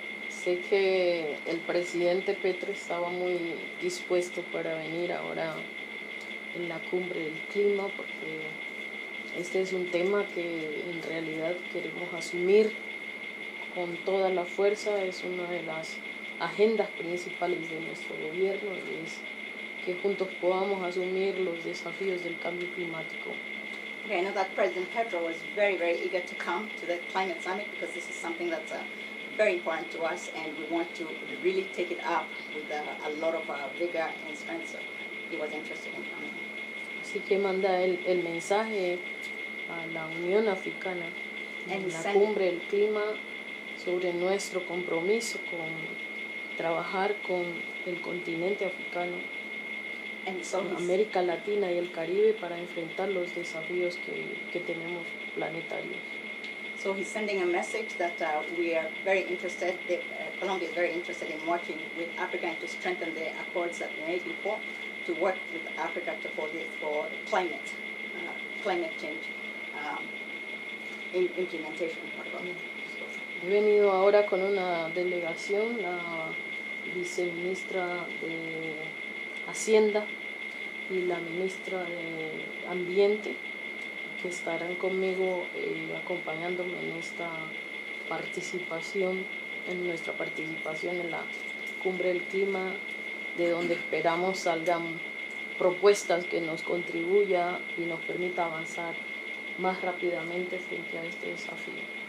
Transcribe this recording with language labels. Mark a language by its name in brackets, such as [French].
[Spanish] Sé que el presidente Petro estaba muy dispuesto para venir ahora en la cumbre del clima porque este es un tema que en realidad queremos asumir con toda la fuerza. Es una de las agendas principales de nuestro gobierno y es que juntos podamos asumir los desafíos del cambio climático. [English] Okay, I know that President Petro was very, very eager to come to the climate summit because this is something that's very important to us and we want to really take it up with a lot of vigor and strength. So he was interested in coming. [Spanish] Así que manda el mensaje a la Unión Africana en la cumbre del clima sobre nuestro compromiso con trabajar con el continente africano, América Latina y el Caribe para enfrentar los desafíos que tenemos planetarios. [English] So he's sending a message that we are very interested, that Colombia is very interested in working with Africa and to strengthen the accords that we made before to work with Africa to for the climate, climate change implementation. [Spanish] He venido ahora con una delegación, la viceministra de Hacienda y la ministra de Ambiente, que estarán conmigo acompañándome en esta participación, en nuestra participación en la cumbre del clima, de donde esperamos salgan propuestas que nos contribuya y nos permita avanzar más rápidamente frente a este desafío.